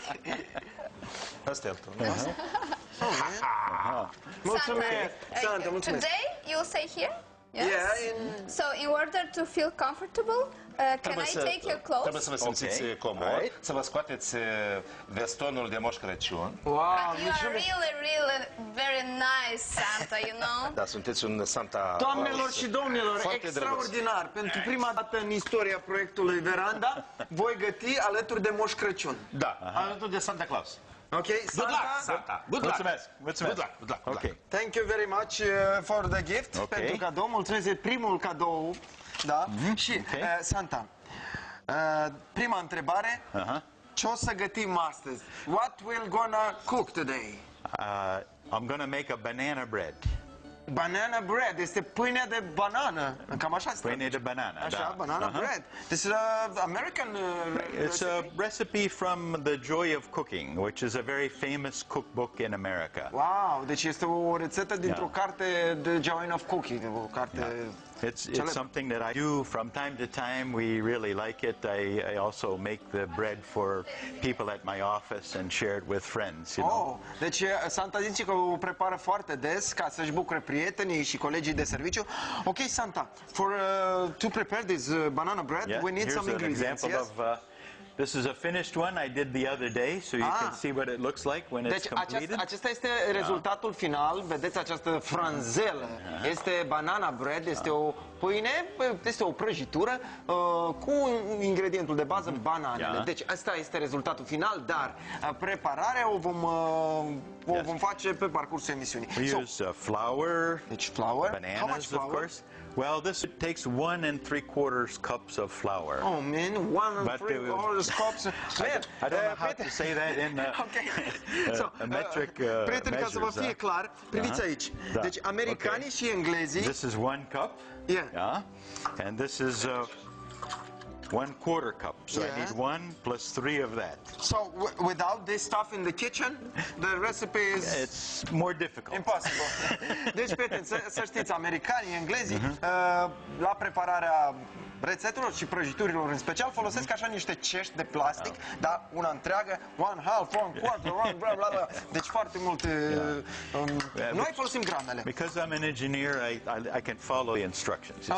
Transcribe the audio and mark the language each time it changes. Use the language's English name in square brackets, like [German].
[English] Hey, today you'll stay here. Yes. Yeah, so in order to feel comfortable, can I take your clothes? [Romanian] Trebuie să vă simțiți comod, right. Să vă scoateți vestonul de Moș Crăciun. Wow, [English] but you are really, really very nice Santa, you know? [Romanian] Da, sunteți un Santa... Doamnelor și domnilor, extraordinar! Drăguț. Pentru prima dată în istoria proiectului Veranda, voi găti alături de Moș Crăciun. Da, aha. Alături de Santa Claus. [English] Ok, Santa. Good luck, Santa. Good luck. [Romanian] Mulțumesc. [English] Good luck. Good luck. Okay. Thank you very much for the gift. Okay. [Romanian] Pentru cadou, mulțumesc de primul cadou. Da. Mm-hmm. Și okay. Santa. Prima întrebare. Ce o să gătim astăzi? [English] What we're gonna cook today? I'm gonna make a banana bread. [Romanian] Banana bread. Este pâine de banană. Cam așa se pâine de banană. Așa, da. [English] Banana bread. This is American It's recipe. A recipe from The Joy of Cooking, which is a very famous cookbook in America. [Romanian] Wow, deci este o rețetă dintr-o carte, The Joy of Cooking, o carte... [English] It's something that I do from time to time. We really like it. I also make the bread for people at my office and share it with friends, you know. [Romanian] Oh, deci Santa zice că o prepară foarte des ca să-și bucure prietenii și colegii de serviciu. [English] Okay, Santa, for to prepare this banana bread, yeah, we need here's some an ingredients. Example yes? of, this is a finished one I did the other day, so you can see what it looks like when [Romanian] deci [English] it's completed. [Romanian] Deci acesta este rezultatul final. Vedeți această franzelă. Este banana bread, este o pâine, este o prăjitură cu ingredientul de bază, bananele. Yeah. Deci asta este rezultatul final, dar prepararea o vom vom face pe parcursul emisiunii. [English] We use flour. [Romanian] Deci flour. [English] Bananas, how much flour? Of course. Well, this takes 1 3/4 cups of flour. Oh man, 1 3/4 cups. I don't know how to say that in a metric measure. [Romanian] Prieteni, ca să vă fie clar, priviți aici. Da. Deci americanii și englezii. [English] This is 1 cup. Yeah. Yeah. And this is 1/4 cup. So I need 1 + 3 of that. So without this stuff in the kitchen, the recipe is it's more difficult. Impossible. [Romanian] Deci, prieteni, să știți, americanii, englezii, la prepararea rețetelor și prăjiturilor în special folosesc așa niște cești de plastic, dar una întreagă, 1 1/2 1 1/4 bla bla bla. Deci foarte mult noi folosim gramele. [English] Because I'm an engineer, I can follow the instructions, you